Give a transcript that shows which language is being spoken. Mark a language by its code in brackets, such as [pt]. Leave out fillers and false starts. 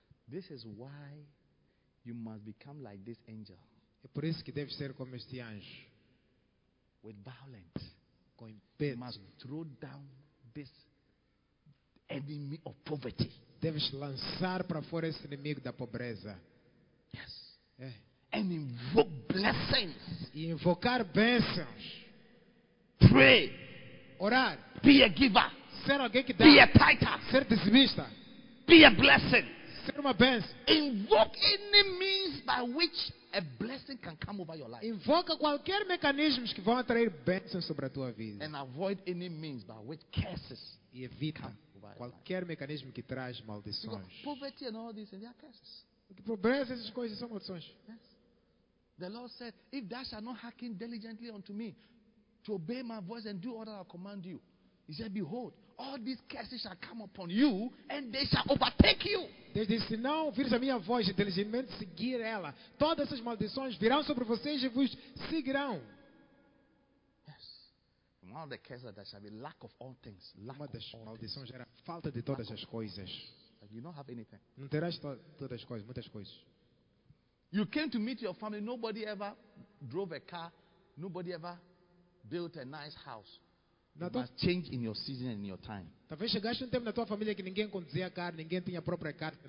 [en] This is why you must become like this angel. [pt] É por isso que deve ser como este anjo. [en] With violence. [pt] Com impeto. [en] You must throw down this enemy of poverty. [pt] Deves lançar para fora esse inimigo da pobreza. [en] Yes. [pt] É. [en] And invoke blessings. [pt] E invocar bênçãos. [en] Pray. [pt] Orar. [en] Be a giver. [pt] Ser alguém que dá. [en] Be a fighter. [pt] Ser dizimista. [en] Be a blessing. [pt] Ser uma bênção. [en] Invoke any means by which a blessing can come over your life. [pt] Invoca qualquer mecanismo que vão atrair bênçãos sobre a tua vida. [en] And avoid any means by which curses. [pt] E evita qualquer mecanismo que traz maldições. [en] Poverty and all these, and they are curses. [pt] Pobreza, essas coisas são maldições. [en] Yes. The Lord said, if thou shalt not hearken diligently unto me, to obey my voice and do all that I command you, he said, behold, all these curses shall come upon you and they shall overtake you. [pt] Deus disse, se não ouvires a minha voz inteligentemente, seguir ela, todas essas maldições virão sobre vocês e vos seguirão. [en] Yes. One of the curses that shall be lack of all things. Lack [pt] uma das maldições [en] things. [pt] Era falta de todas as coisas. [en] You don't have anything. [pt] Não terás todas as coisas, muitas coisas. [en] You came to meet your family. Nobody ever drove a car. Nobody ever built a nice house. You must change in your season and in your time. [pt] Talvez chegaste um tempo na tua família que ninguém conduzia carro, ninguém tinha a própria carta.